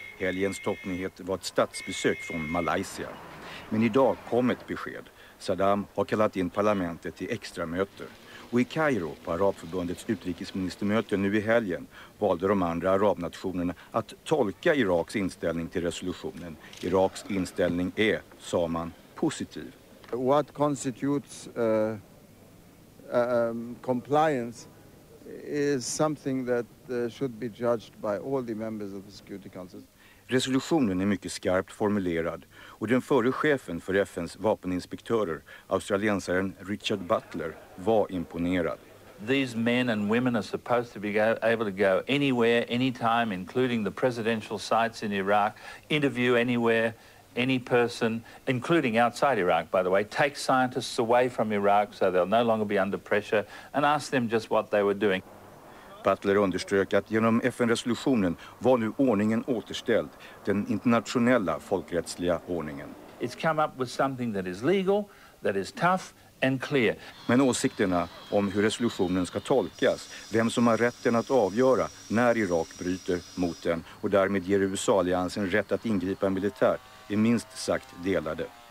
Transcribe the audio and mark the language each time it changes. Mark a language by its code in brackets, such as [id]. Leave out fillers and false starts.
[sv] Helgens toppnyhet var ett statsbesök från Malaysia. Men idag kom ett besked. Saddam har kallat in parlamentet till extra möte. Och i Kairo, på Arabförbundets utrikesministermöte nu i helgen, valde de andra arabnationerna att tolka Iraks inställning till resolutionen. Iraks inställning är, sa man, positiv. [en] What constitutes compliance is something that should be judged by all the members of the Security Council. [sv] Resolutionen är mycket skarpt formulerad och den förre chefen för FN:s vapeninspektörer, australiensaren Richard Butler, var imponerad. [en] These men and women are supposed to be able to go anywhere, anytime, including the presidential sites in Iraq, interview anywhere, any person, including outside Iraq, by the way, take scientists away from Iraq so they'll no longer be under pressure and ask them just what they were doing. [sv] Butler underströk att genom FN-resolutionen var nu ordningen återställd, den internationella folkrättsliga ordningen. [en] It's come up with something that is legal, that is tough and clear. [sv] Men åsikterna om hur resolutionen ska tolkas, vem som har rätten att avgöra när Irak bryter mot den och därmed ger USA-alliansen rätt att ingripa militärt, är minst sagt delade.